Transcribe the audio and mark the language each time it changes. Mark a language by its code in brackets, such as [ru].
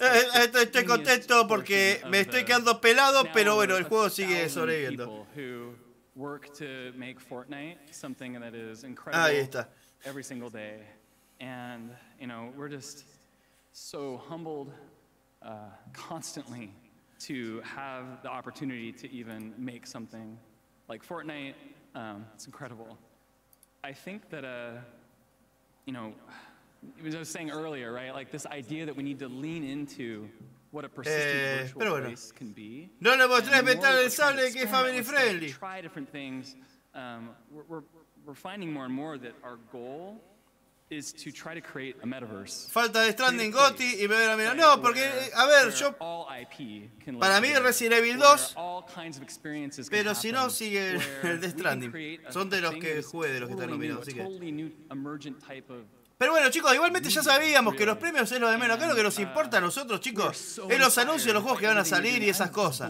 [es] Estoy contento porque me estoy quedando pelado, pero bueno, el juego sigue sobreviviendo. [en] Who work to make Fortnite something that is incredible every single day, and you know we're just so humbled constantly to have the opportunity to even make something like Fortnite. It's incredible. I think that, you know, as I was saying earlier, right? Like this idea that we need to lean into what a persistent virtual [es] bueno. [en] Race can be. [es] No le mostres metal el sable que es family friendly. [en] Try different things. We're finding more and more that our goal is to try to create a metaverse. [es] Falta de Stranding Gotti y me voy a mirar. No, porque, a ver, yo... Para mí es Resident Evil 2, pero si no, sigue el de Stranding. Son de los que jugué, de los que están nominados, así que... Pero bueno, chicos, igualmente ya sabíamos que los premios es lo de menos. Acá lo que nos importa a nosotros, chicos, es los anuncios, los juegos que van a salir y esas cosas.